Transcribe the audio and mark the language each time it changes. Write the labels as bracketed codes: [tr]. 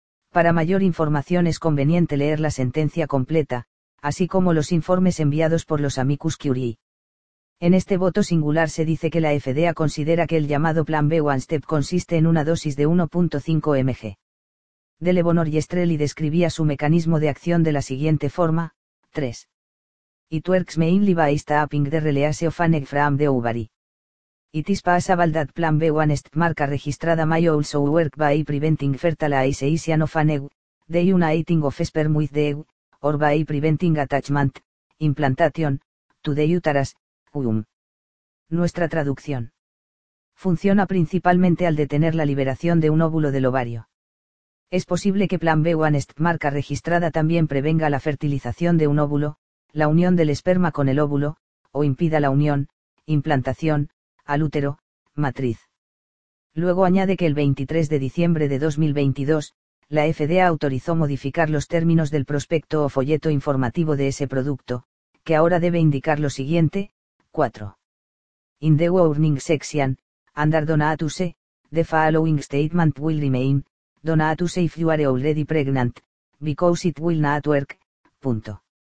[es] Para mayor información es conveniente leer la sentencia completa, así como los informes enviados por los amicus curiae. En este voto singular se dice que la FDA considera que el llamado Plan B One Step consiste en una dosis de 1.5 mg. De levonorgestrel y describía su mecanismo de acción de la siguiente forma, 3. [en] It works mainly by stopping the release of an egg from the ovary. It is possible that Plan B One Step [es] marca registrada [en] may also work by preventing fertilization of an egg, the uniting of sperm with the egg, or by preventing attachment, implantation, to the uterus, UUM. [es] Nuestra traducción. Funciona principalmente al detener la liberación de un óvulo del ovario. Es posible que Plan B One Step marca registrada también prevenga la fertilización de un óvulo, la unión del esperma con el óvulo, o impida la unión, implantación, al útero, matriz. Luego añade que el 23 de diciembre de 2022, la FDA autorizó modificar los términos del prospecto o folleto informativo de ese producto, que ahora debe indicar lo siguiente, 4. [en] In the warning section, under Donatus, the following statement will remain, Donatus if you are already pregnant, because it will not work, [es] punto.